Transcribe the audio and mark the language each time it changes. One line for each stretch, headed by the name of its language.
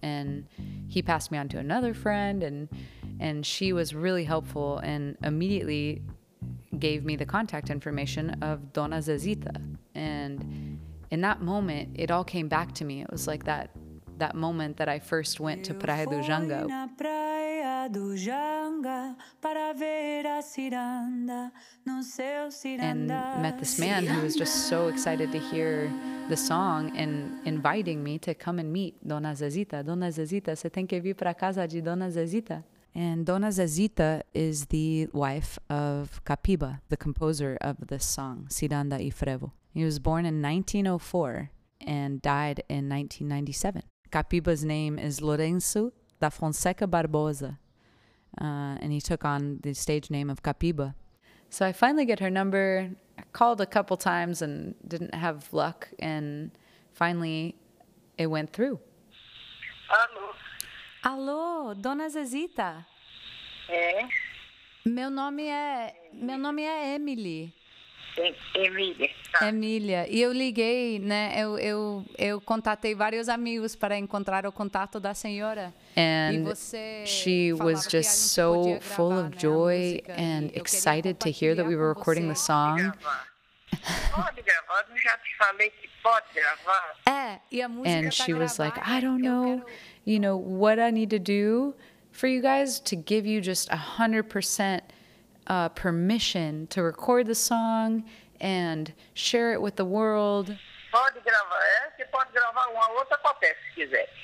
English: And he passed me on to another friend, and she was really helpful and immediately gave me the contact information of Dona Zezita. And in that moment, it all came back to me. It was like that moment that I first went to Praia do Janga.
Portuguese: Na Praia do Janga para ver a ciranda, no seu ciranda.
English: And met this man ciranda. Who was just so excited to hear the song and inviting me to come and meet Dona Zezita.
Portuguese: Dona Zezita, se tem que vir para casa de Dona Zezita.
English: And Dona Zezita is the wife of Capiba, the composer of this song, Ciranda e Frevo. He was born in 1904 and died in 1997. Capiba's name is Lourenço da Fonseca Barbosa, and he took on the stage name of Capiba. So I finally get her number. I called a couple times and didn't have luck, and finally it went through.
Portuguese: Alô, Dona Zezita. É? Meu nome é Emily. Emília. Ah. Emília. E eu liguei, né? Eu contatei vários amigos para encontrar o contato da senhora.
English: And
Portuguese: e você
English: she was just so full of joy and excited to hear that we were recording the song.
Portuguese: Pode gravar? Já te falei que pode gravar. É, e a música
English: and
Portuguese: tá
English: she
Portuguese: gravada.
English: Was like, I don't know. You know, what I need to do for you guys to give you just 100% permission to record the song and share it with the world.
Portuguese: Pode gravar, é? Você pode gravar uma outra qualquer, se quiser.